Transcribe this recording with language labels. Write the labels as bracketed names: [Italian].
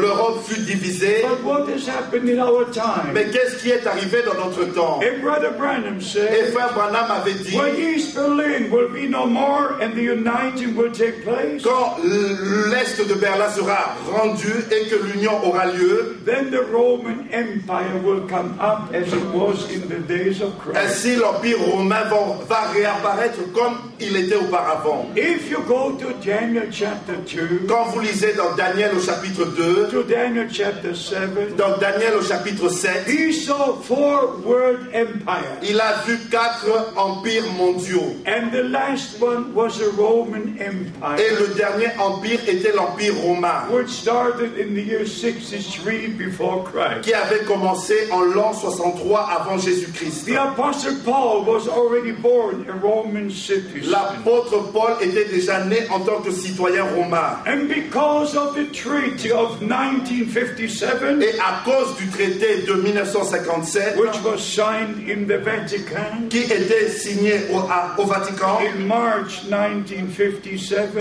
[French] L'Europe fut divisée. [English] But what has happened in our time? [French] Mais qu'est-ce qui est arrivé dans notre temps? [English] And Brother Branham said, [French] et Frère Branham avait dit, [English] when East Berlin will be no more and the uniting will take place, [French] quand l'est de Berlin sera rendu et que l'union aura lieu, [English] then the Roman Empire will come up as it was in the days of Christ. [French] Ainsi, l'Empire romain va réapparaître comme il était auparavant. [English] If you go to Daniel chapter 2, [French] quand vous lisez dans Daniel au chapitre 2, [English] to Daniel chapter 7, [French] dans Daniel au chapitre 7, [English] he saw four world empires. [French] Il a vu quatre empires mondiaux. [English] And the last one was a Roman Empire. [French] Et le dernier empire était l'Empire romain. [English] Which started in the year 63 before Christ. [French] Qui avait commencé en l'an 63 avant Jésus-Christ. [English] The apostle Paul was already born a Roman citizen. [French] L'apôtre Paul était déjà né en tant que citoyen romain. [English] And because of the treaty of 1957, [French] et à cause du traité de 1957, [English] which was signed in the Vatican, [French] qui était signé au Vatican, [English] in March 1957,